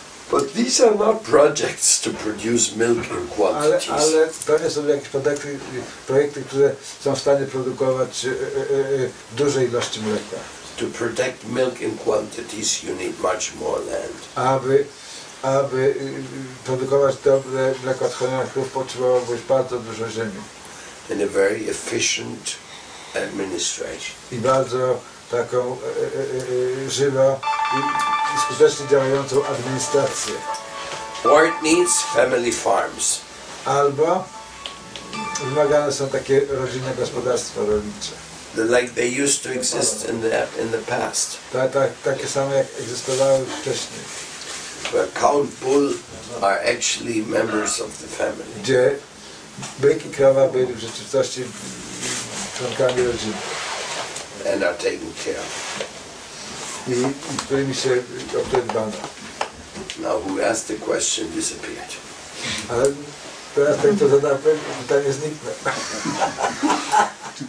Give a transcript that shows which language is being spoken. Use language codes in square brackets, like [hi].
[en] But these are not projects to produce milk in quantities. [pl] Ale to nie są jakieś projekty, które są w stanie produkować duże ilości mleka. [en] To protect milk in quantities, you need much more land. [pl] Aby produkować dobre mleko odchodzenia krów, potrzebowałoby bardzo dużo ziemi. [en] And a very efficient administration. [pl] I bardzo taką żywą i skutecznie działającą administrację. [en] Or it needs family farms. [pl] Albo wymagane są takie rodzinne gospodarstwa rolnicze. [en] Like they used to exist in the past. [pl] Takie same jak egzystowały wcześniej. [en] Where cow and bull are actually members of the family. [pl] Gdzie byk i krowa byli w rzeczywistości członkami rodziny. [en] And are taken care of. [pl] I którymi się o to dbano. [en] Now who asked the question disappeared. [pl] Ale teraz ten, kto zadał pytanie, zniknął.